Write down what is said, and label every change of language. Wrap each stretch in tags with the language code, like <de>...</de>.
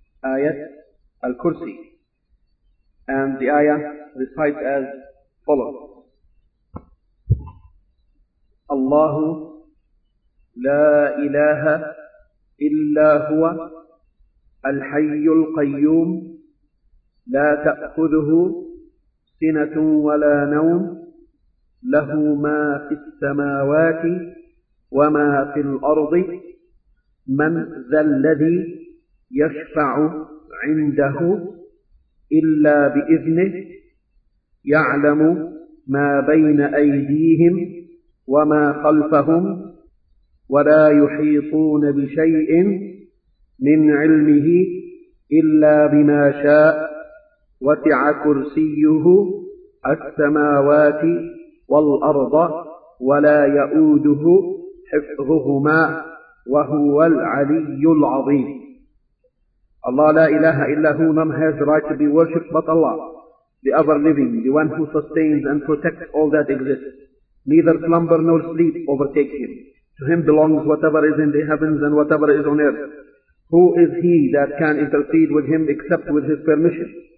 <en>Ayat Al-Kursi. And the ayah recites as follows.</en> <ar>Allahu la ilaha illa huwa al-hayyul qayyum la ta'khudhu sinatun wala nawm lahu ma fis samawati wa ma fil ardi man dhalladhi yashfa'u 'indahu إلا بإذنه يعلم ما بين أيديهم وما خلفهم ولا يحيطون بشيء من علمه إلا بما شاء وسع كرسيه السماوات والأرض ولا يؤوده حفظهما وهو العلي العظيم. Allah la ilaha illa hu,</ar> <en>none has the right to be worshipped but Allah, the ever living, the one who sustains and protects all that exists. Neither slumber nor sleep overtake him. To him belongs whatever is in the heavens and whatever is on earth. Who is he that can intercede with him except with his permission?</en>